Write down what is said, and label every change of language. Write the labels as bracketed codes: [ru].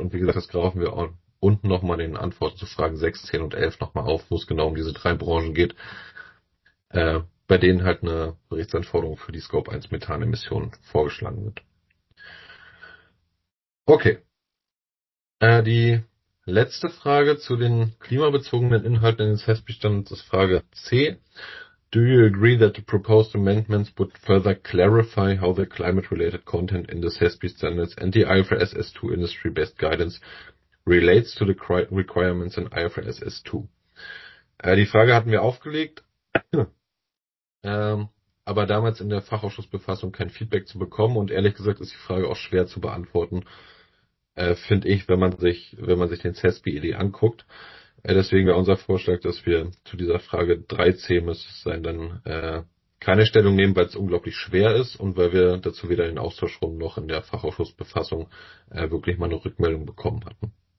[de] Und wie gesagt, das greifen wir auch unten nochmal in den Antworten zu Fragen 6, 10 und 11 nochmal auf, wo es genau um diese drei Branchen geht, bei denen halt eine Berichtsanforderung für die Scope 1 Methanemissionen vorgeschlagen wird. Okay. Die letzte Frage zu den klimabezogenen Inhalten in den CESS-Bestandes ist Frage C. [en] Do you agree that the proposed amendments would further clarify how the climate-related content in the CESS-Bestandes and the IFRS S2 industry best guidance relates to the requirements in IFRS S2? [de] Die Frage hatten wir aufgelegt, aber damals in der Fachausschussbefassung kein Feedback zu bekommen, und ehrlich gesagt ist die Frage auch schwer zu beantworten, finde ich, wenn man sich den CESBED anguckt. Deswegen wäre unser Vorschlag, dass wir zu dieser Frage 3C müsste es sein, dann keine Stellung nehmen, weil es unglaublich schwer ist und weil wir dazu weder in den Austauschrunden noch in der Fachausschussbefassung wirklich mal eine Rückmeldung bekommen hatten.